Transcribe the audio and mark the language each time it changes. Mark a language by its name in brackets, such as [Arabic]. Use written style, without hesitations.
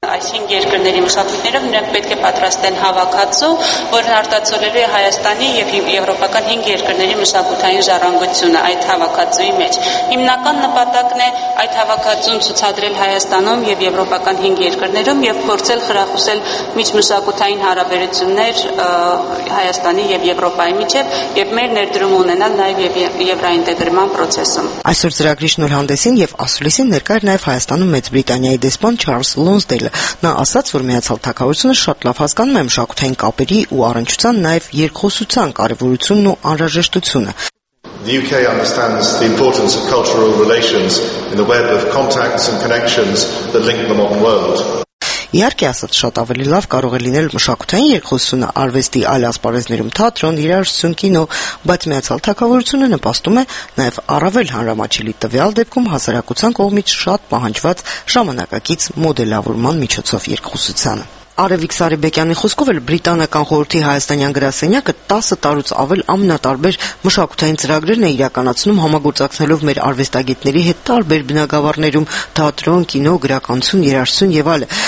[Armenian] Այսինքն երկրների մշակույթներով նրանք պետք է պատրաստեն հավաքածու, որն արտացոլելու է Հայաստանի եւ եվրոպական 5 երկրների մշակութային ժառանգությունը այդ հավաքածուի մեջ։ Հիմնական նպատակն է այդ հավաքածուն ցուցադրել Հայաստանում եւ եվրոպական 5 երկրներում եւ փորձել խրախուսել միջմշակութային հարաբերություններ Հայաստանի եւ Եվրոպայի միջեւ եւ մեր ներդրում ունենալ նաեւ եվրոինտեգրման պրոցեսում։ Այսօր ծրագրի շնորհանդեսին եւ ասուլիսին ներկայ նաեւ Հայաստանում Մեծ Բրիտանիայի դեսպան Չարլզ Լոնսդեյլը։ Նա ասաց, որ Միացյալ Թագավորությունը շատ լավ հասկանում է մշակութային կապերի ու առնչության նաեւ երկխոսության կարեւորությունն ու անհրաժեշտությունը։ [English] The UK understands the importance of cultural relations in the web of contacts and connections that link the modern world. [Armenian] Իհարկե, ասած շատ ավելի լավ կարող է լինել մշակութային երկխոսությունը արվեստի այլ ասպարեզներում՝ թատրոն, երաժշտություն, կինո, բայց Միացյալ Թագավորությունը նպաստում է նաև առավել հանրամատչելի տվյալ դեպքում հասարակության կողմից շատ պահանջված ժամանակակից մոդելավորման միջոցով երկխոսությանը։ Արևիկ Սարիբեկյանի խոսքով էլ Բրիտանական խորհրդի հայաստանյան գրասենյակը 10 տարուց ավել ամենատարբեր մշակութային ծրագրերն է իրականացնում, համագործակցելով մեր արվեստագետների հետ տարբեր բնագավառներում՝ թատրոն, կինո, գրականություն, երաժշտություն եւ այլ։